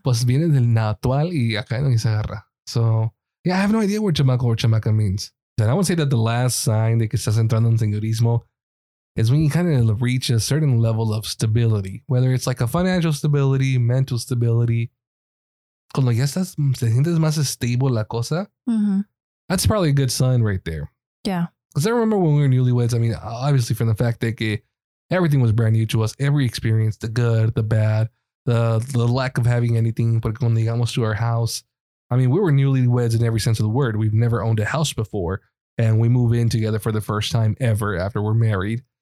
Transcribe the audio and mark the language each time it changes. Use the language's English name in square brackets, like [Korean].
[Spanish] Pues viene del natual y acá no se agarra. [English] So, yeah, I have no idea what chamaco or chamaca means. And I would say that the last sign [Spanish] de que estás entrando en [English] señorismo is when you kind of reach a certain level of stability, whether it's like a financial stability, mental stability. [Spanish] Cuando ya estás, te sientes más estable la cosa. Mm-hmm. [English] That's probably a good sign right there. Yeah. Because I remember when we were newlyweds, I mean, obviously from the fact that everything was brand new to us, every experience, the good, the bad, the lack of having anything. But [Spanish] cuando llegamos [English] to our house, I mean, we were newlyweds in every sense of the word. We've never owned a house before. And we move in together for the first time ever after we're married.